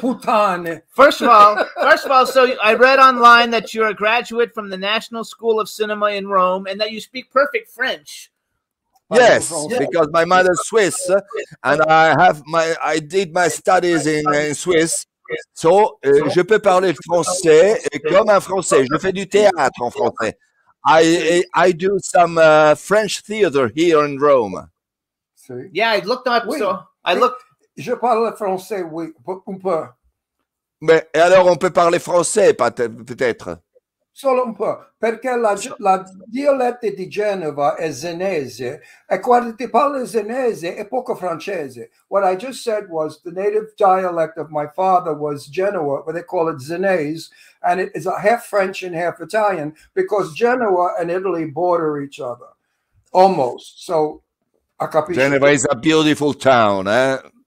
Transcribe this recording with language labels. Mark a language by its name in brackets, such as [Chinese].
[Italian] Puttane. [English] First of all, so I read online that you're a graduate from the National School of Cinema in Rome and that you speak perfect French. Yes, because my mother's Swiss and I did my studies in Swiss. [French] So, je peux parler français comme un français. Je fais du théâtre en français. [English] I do some French theater here in Rome. See? Yeah, I looked up. Oui. So I looked. [French] Je parle français, oui, un peu. Mais alors, on peut parler français, peut-être. [Italian] Solo un peu. Perché la dialetto di Genova è Zenese, e quando ti parli Zenese è poco francese. [English] What I just said was the native dialect of my father was Genoa, where they call it Zenese, and it is a half French and half Italian, because Genoa and Italy border each other, almost. [Italian] So, a capisci. [English] Genova is a beautiful town, eh?